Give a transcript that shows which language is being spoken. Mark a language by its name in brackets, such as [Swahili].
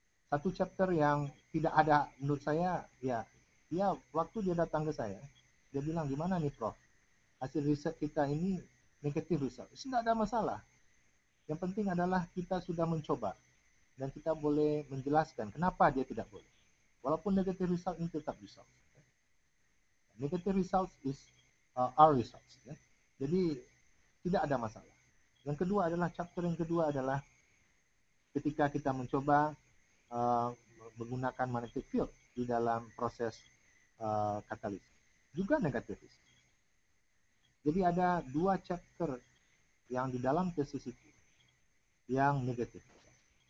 [Indonesian] Satu chapter yang tidak ada menurut saya, ya, dia waktu dia datang ke saya, dia bilang, gimana nih Prof, hasil riset kita ini negative result. Tidak ada masalah. Yang penting adalah kita sudah mencoba dan kita boleh menjelaskan kenapa dia tidak boleh. Walaupun negative result ini tetap bisa. [English] Negative results is our results. [Indonesian] Ya. Jadi tidak ada masalah. Yang kedua adalah chapter yang kedua adalah ketika kita mencoba menggunakan magnetic field di dalam proses katalis juga negative results. Jadi ada dua chapter yang di dalam tesis itu yang negative results.